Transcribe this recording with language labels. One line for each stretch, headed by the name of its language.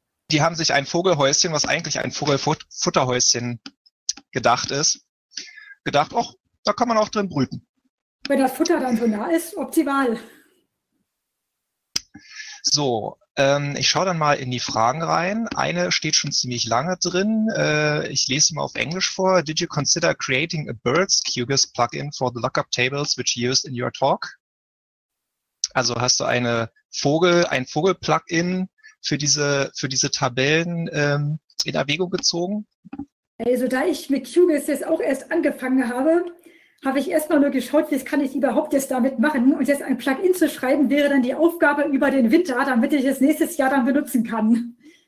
German: Die haben sich ein Vogelhäuschen, was eigentlich ein Vogelfutterhäuschen gedacht ist, gedacht, ach, da kann man auch drin brüten. Wenn das Futter dann so nah ist, optimal. So, ich schaue dann mal in die Fragen rein. Eine steht schon ziemlich lange drin. Ich lese sie mal auf Englisch vor.
English: Did you consider creating a Birds QGIS plugin for the lookup tables which you used in your talk?
German: Also hast du ein Vogel-Plugin für diese Tabellen in Erwägung gezogen? Also da ich mit QGIS jetzt auch erst angefangen habe, habe ich erstmal nur geschaut, was kann ich überhaupt jetzt damit machen. Und jetzt ein Plugin zu schreiben, wäre dann die Aufgabe über den Winter, damit ich es nächstes Jahr dann benutzen kann.